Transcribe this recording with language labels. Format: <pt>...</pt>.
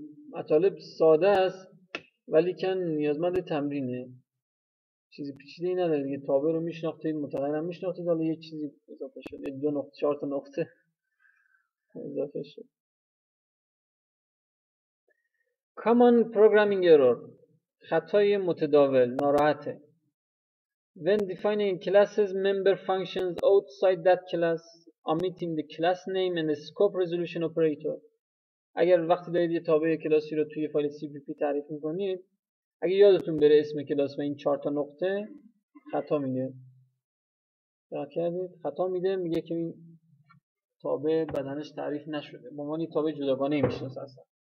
<fa>مطالب ساده است ولی کن نیازمند تمرینه، چیزی پیچیده ای نداره دیگه. تابع رو میشناختید، متغیرم میشناختید، حالا یه چیزی اضافه شد، یه دو نقطه چهار تا نقطه اضافه شد.</fa> <en>Common programming error،</en> <fa>خطای متداول، ناراحته.</fa> <en>When defining classes member functions outside that class omitting the class name and the scope resolution operator.</en> <fa>اگر وقتی دارید یه تابع کلاسی رو توی فایل CPP تعریف میکنید، اگه یادتون بره اسم کلاس و این چهار تا نقطه، خطا میده. دقت کردید؟ خطا میده، میگه که این تابع بدنش تعریف نشده. به معنی تابع جداگانه میشه اصلا.</fa>